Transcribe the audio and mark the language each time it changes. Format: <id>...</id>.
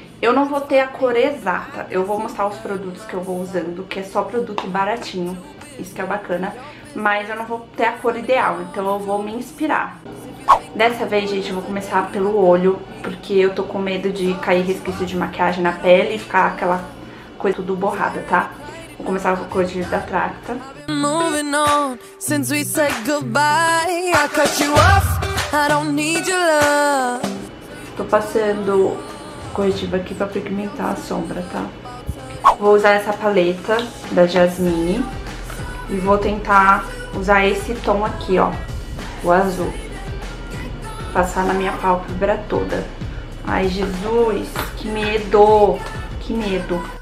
<pt>Eu não vou ter a cor exata. Eu vou mostrar os produtos que eu vou usando, que é só produto baratinho. Isso que é bacana. Mas eu não vou ter a cor ideal, então eu vou me inspirar. Dessa vez, gente, eu vou começar pelo olho, porque eu tô com medo de cair resquício de maquiagem na pele e ficar aquela coisa tudo borrada, tá? Vou começar com a cor de vidro da Tracta.</pt> <en>Moving on, since we said goodbye, I cut you off, I don't need your love.</en> <pt>Tô passando corretivo aqui pra pigmentar a sombra, tá? Vou usar essa paleta da Jasmine. E vou tentar usar esse tom aqui, ó, o azul. Passar na minha pálpebra toda. Ai, Jesus, que medo, que medo.</pt>